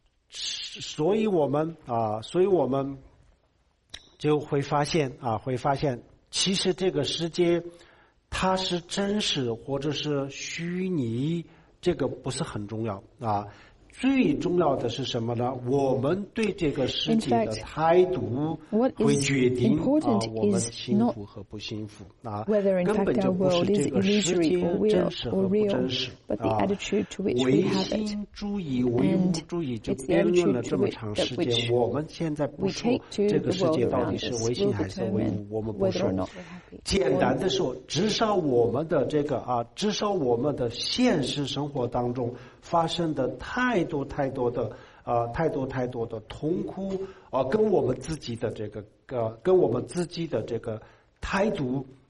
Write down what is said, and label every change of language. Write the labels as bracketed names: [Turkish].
[Chinese] 所以我们啊，所以我们就会发现啊，会发现其实这个世界它是真实或者是虚拟，这个不是很重要啊，最重要的是什么呢？我们对这个世界的态度会决定啊，我们幸福和不幸福啊。 [English] Whether in fact our world is illusory or real, [Chinese] 根本就不是这个世界真实和不真实啊。唯心主义，唯物主义就辩论了这么长时间。我们现在不说这个世界到底是唯心还是唯物，我们不说。简单的说，至少我们的这个啊，至少我们的现实生活当中发生的太多太多的太多太多的痛苦跟我们自己的这个跟我们自己的这个态度